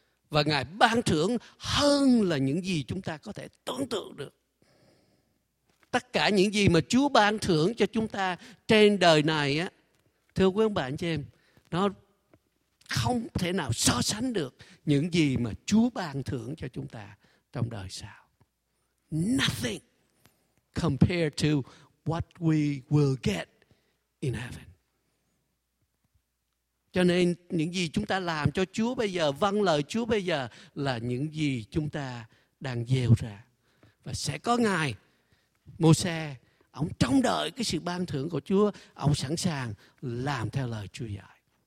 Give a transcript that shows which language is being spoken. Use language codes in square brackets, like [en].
[vi] Và Ngài ban thưởng hơn là những gì chúng ta có thể tưởng tượng được. Tất cả những gì mà Chúa ban thưởng cho chúng ta trên đời này á, thưa quý ông bà anh chị em, nó không thể nào so sánh được những gì mà Chúa ban thưởng cho chúng ta trong đời sau. [en] Nothing compared to what we will get in heaven. [vi] Cho nên những gì chúng ta làm cho Chúa bây giờ, vâng lời Chúa bây giờ là những gì chúng ta đang gieo ra. Và sẽ có ngày Môi-se, ông trông đợi cái sự ban thưởng của Chúa, ông sẵn sàng làm theo lời Chúa dạy.